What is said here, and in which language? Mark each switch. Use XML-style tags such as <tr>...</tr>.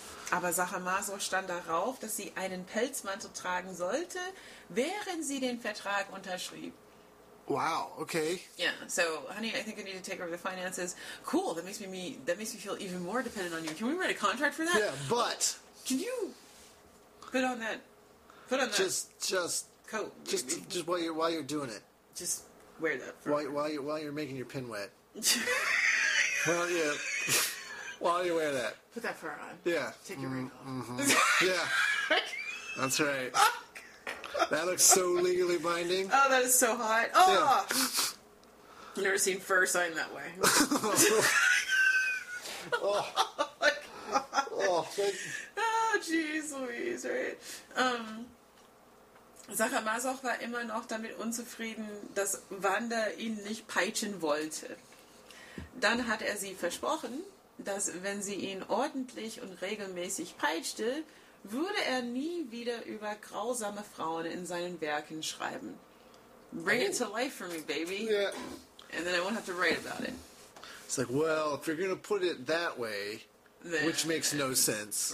<de>Aber Sachemaso stand darauf, dass sie einen Pelzmantel tragen sollte, während sie den Vertrag unterschrieb. Wow, okay.</de> <en>Yeah, so, honey, I think I need to take over the finances. Cool, that makes me feel even more dependent on you. Can we write a contract for that? Yeah, but... Can you put on that... Just... coat. Just while you're doing it. Just wear that. While you're making your pin wet. while you wear that. Put that fur on. Yeah. Take your ring off. Mm-hmm. Yeah. That's right. That looks so legally binding. Oh, that is so hot. Oh! Yeah. I've never seen fur sign that way. Oh, my God. Oh, jeez Louise, right?</en> <de>Sacher Masoch war immer noch damit unzufrieden, dass Wanda ihn nicht peitschen wollte. Dann hat er sie versprochen, dass wenn sie ihn ordentlich und regelmäßig peitschte, würde er nie wieder über grausame Frauen in seinen Werken schreiben.</de> <en>Bring it to life for me, baby. Yeah. And then I won't have to write about it. It's like, well, if you're going to put it that way, then, which makes no sense.</en>